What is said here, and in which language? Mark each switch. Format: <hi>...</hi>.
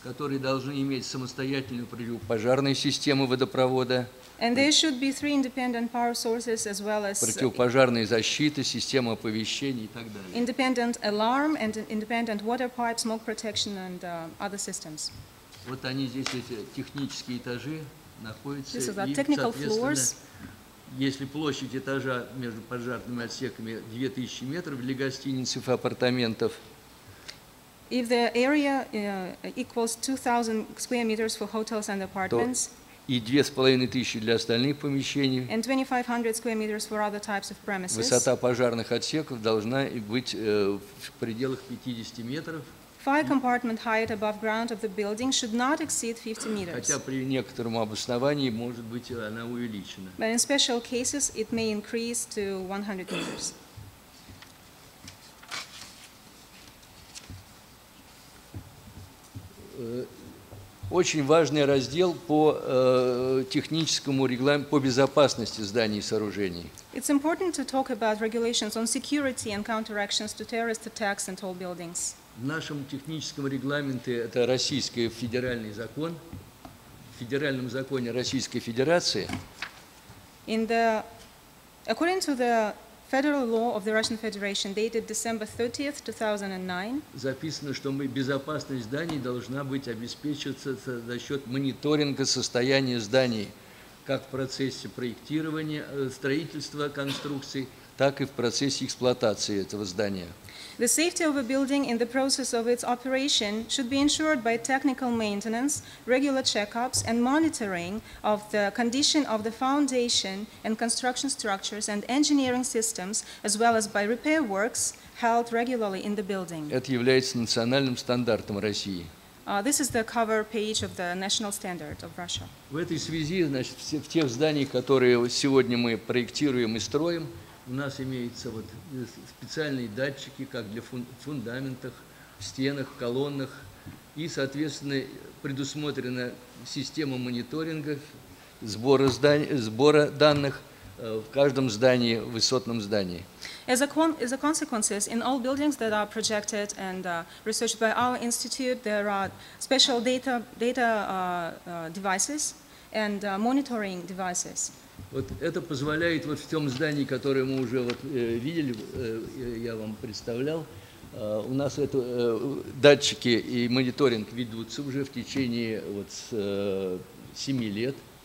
<ru>Которые должны иметь самостоятельную противопожарную систему водопровода.</ru> <en>And there should be three independent power sources as well as</en> <ru>противопожарные защиты, система оповещений и так далее.</ru> <en>Independent alarm and independent water pipe, smoke protection and other systems.</en> <ru>Вот они здесь, эти технические этажи, находятся.</ru> <en>These are technical floors.</en> <ru>Если площадь этажа между пожарными отсеками 2000 метров для гостиниц и апартаментов,</ru> <en>if the area equals 2000 square meters for hotels and apartments,</en> <ru>и 2500 для остальных помещений,</ru> <en>and 2500 square meters for other types of premises,</en> <ru>высота пожарных отсеков должна быть в пределах 50 метров.</ru> <en>Fire compartment height above ground of the building should not exceed 50 meters.</en> <ru>Хотя при некотором обосновании может быть она увеличена.</ru> <en>But in special cases it may increase to 100 meters.</en> <ru>Очень важный раздел по техническому регламенту по безопасности зданий и сооружений.</ru> <en>It's important to talk about regulations on security and counteractions to terrorist attacks in tall buildings.</en> <ru>В нашем техническом регламенте, это российский федеральный закон, в федеральном законе Российской Федерации.</ru> <en>In the, according to the federal law of the Russian Federation, dated December 30th, 2009,</en> <ru>записано, что мы, безопасность зданий должна быть обеспечиваться за счет мониторинга состояния зданий, как в процессе проектирования, строительства конструкций, так и в процессе эксплуатации этого здания.</ru> <en>The safety of a building in the process of its operation should be ensured by technical maintenance, regular checkups, and monitoring of the condition of the foundation and construction structures and engineering systems, as well as by repair works held regularly in the building.</en> <ru>Это является национальным стандартом России.</ru> <en>This is the cover page of the national standard of Russia.</en> <ru>В этой связи, значит, в тех зданиях, которые сегодня мы проектируем и строим, У нас имеются вот специальные датчики, как для фундаментов, стенах, колоннах, и, соответственно, предусмотрена система мониторинга, сбора, сбора данных в каждом здании, в высотном здании.</ru> <en>As a consequence, in all buildings that are projected and researched by our institute, there are special devices and monitoring devices.</en> <ru>Вот это позволяет вот в том здании, которое мы уже вот видели, я вам представлял, у нас это датчики и мониторинг ведутся уже в течение вот 7 лет.</ru>